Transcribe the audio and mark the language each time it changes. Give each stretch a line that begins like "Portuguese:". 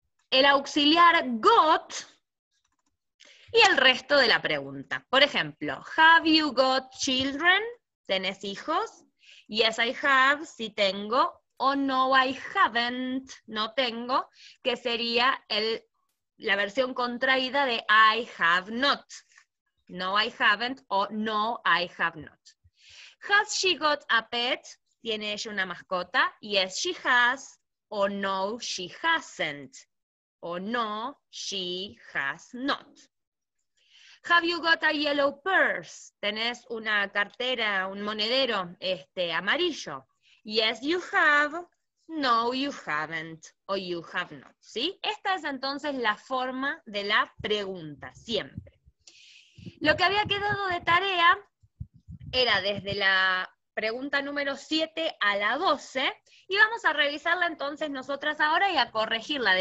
Spanish: El auxiliar got. Y el resto de la pregunta. Por ejemplo,
English: have you got children?
Spanish: ¿Tenés hijos?
English: Yes, I have,
Spanish: sí tengo. O no,
English: I haven't,
Spanish: no tengo, que sería la versión contraída de
English: I have not. No, I haven't
Spanish: o no,
English: I have not. Has she got a pet?
Spanish: ¿Tiene ella una mascota?
English: Yes, she has. O no, she hasn't.
Spanish: O no,
English: she has not. Have you got a yellow purse?
Spanish: ¿Tenés una cartera, un monedero amarillo?
English: Yes, you have. No, you haven't. O you have not.
Spanish: ¿Sí? Esta es entonces la forma de la pregunta, siempre. Lo que había quedado de tarea era desde la pregunta número 7 a la 12, y vamos a revisarla entonces nosotras ahora y a corregirla.